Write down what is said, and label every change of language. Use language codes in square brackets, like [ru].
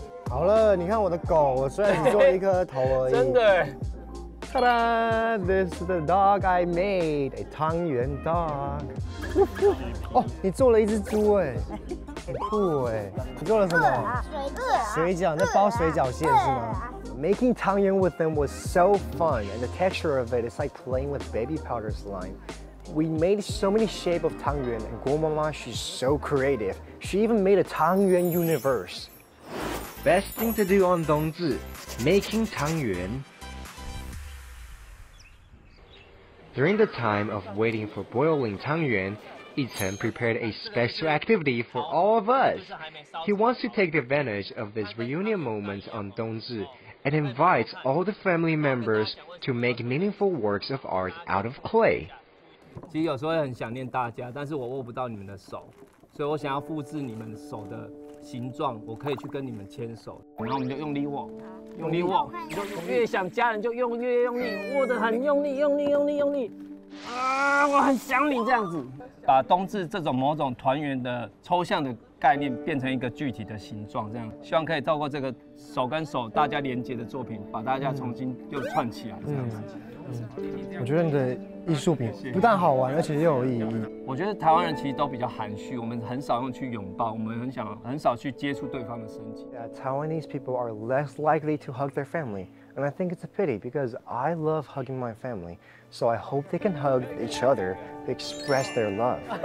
[zh] 好了，你看我的狗，我虽然只做一颗头而已。真的。 [en] Ta-da! This is the dog I made, a 汤圆 dog. [zh] 哦，你做了一只猪哎。很酷哎！你做了什么？水饺，那包水饺馅是吗？ [en] Making 汤圆 with them was so fun, and the texture of it is like playing with baby powder slime. We made so many shapes of 汤圆, and Guo Mama, she's so creative. She even made a 汤圆 universe. Best thing to do on Dongzi, making 汤圆. During the time of waiting for boiling 汤圆. Yichen prepared a special activity for all of us. He wants to take advantage of this reunion moment on Dongzi and invites all the family members to make meaningful works of art out of clay. [zh] 其实有时候很想念大家，但是我握不到你们的手，所以我想要复制你们手的形状，我可以去跟你们牵手，然后我们就用力握，用力握，越想家人就用越用力，握得很用力，用力，用力，用力。啊，我很想你这样子，把冬至这种某种团圆的抽象的概念变成一个具体的形状，这样希望可以透过这个手跟手大家连接的作品，把大家重新又串起来这样子。我觉得你的艺术品不但好玩，而且又有意义。我觉得台湾人其实都比较含蓄，我们很少用去拥抱，我们很少去接触对方的身体。 [en] Taiwanese people are less likely to hug their family. And I think it's a pity because I love hugging my family, so I hope they can hug each other, express their love.